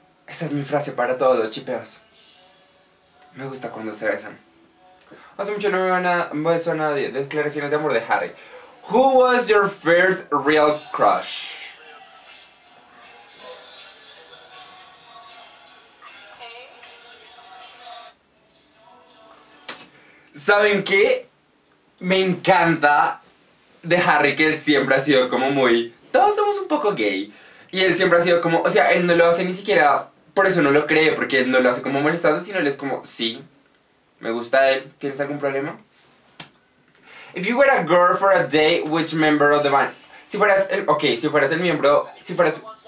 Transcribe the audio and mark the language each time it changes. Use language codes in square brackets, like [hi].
[es] Esa es mi frase para todos los chipeos. Me gusta cuando se besan. Hace mucho no me van a besar a nadie. Declaraciones de amor de Harry. [en] Who was your first real crush? [es] ¿Saben qué? Me encanta de Harry que él siempre ha sido como muy... Todos somos un poco gay. Y él siempre ha sido como... O sea, él no lo hace ni siquiera... Por eso no lo cree, porque él no lo hace como molestando, sino él es como, sí, me gusta él, ¿tienes algún problema? [en] If you were a girl for a day, which member of the band? [es] Si fueras el, ok, si fueras el miembro, si fueras...